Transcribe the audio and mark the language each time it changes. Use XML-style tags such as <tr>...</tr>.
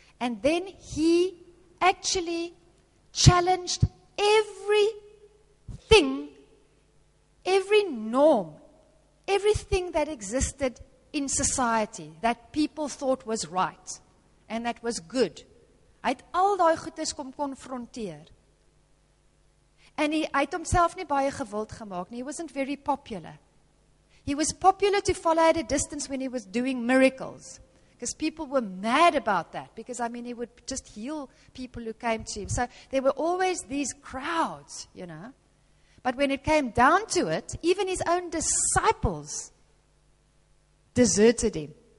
<en>And then he actually challenged everything, every norm, everything that existed in society that people thought was right and that was good.</en> <af>Hy het al daai goedes kom konfronteer. And hy het homself nie baie gewild gemaak nie.</af> <en>He wasn't very popular. He was popular to follow at a distance when he was doing miracles. Because people were mad about that. Because, I mean, he would just heal people who came to him. So there were always these crowds, you know. But when it came down to it, even his own disciples deserted him.</en>